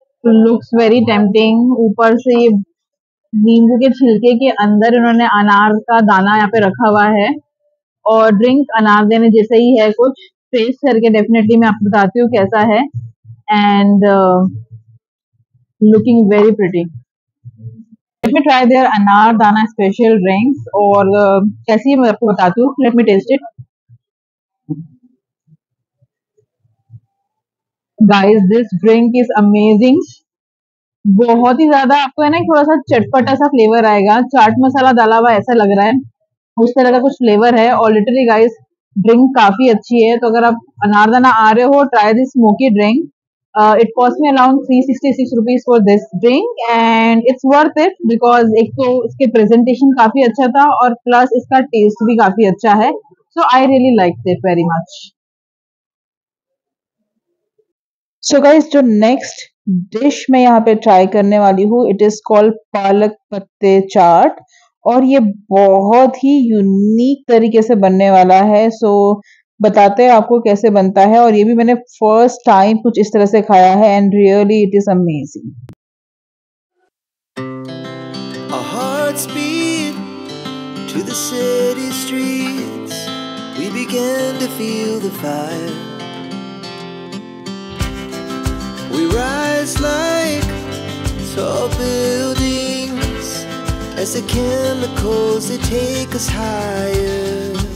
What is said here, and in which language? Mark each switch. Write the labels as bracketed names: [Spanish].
[English] looks very tempting, [Hindi] ऊपर से ये नींबू के छिलके के अंदर इन्होंने अनार का दाना यहाँ पे रखा हुआ है, और ड्रिंक अनार देने जैसे ही है, कुछ टेस्ट करके डेफिनेटली मैं आपको बताती हूँ कैसा है, [English] And looking very pretty. Let me try their anar dana special drinks, [Hindi] और कैसी है मैं आपको बताती हूँ, [English] Let me taste it. Guys, this drink is amazing. [Hindi] बहुत ही ज्यादा आपको है ना थोड़ा सा चटपटा सा फ्लेवर आएगा, चाट मसाला डाला हुआ ऐसा लग रहा है, उस तरह का कुछ फ्लेवर है। और लिटरली गाइज ड्रिंक काफी अच्छी है, तो अगर आप अनारदाना आ रहे हो [English] Try this smoky drink. It cost me around 366 rupees for this drink, and it's worth it because [Hindi] एक तो इसके प्रेजेंटेशन काफी अच्छा था और प्लस इसका टेस्ट भी काफी अच्छा है, [English] So I really like it very much. [Hindi] So guys जो नेक्स्ट डिश मैं यहाँ पे ट्राई करने वाली हूँ, [English] it is called [Hindi] पालक पत्ते चाट, और ये बहुत ही यूनिक तरीके से बनने वाला है, सो बताते हैं आपको कैसे बनता है। और ये भी मैंने फर्स्ट टाइम कुछ इस तरह से खाया है, [English] And really it is amazing. A heart speed to the city streets, we began to feel the fire. We rise like tall buildings as the chemicals they take us higher.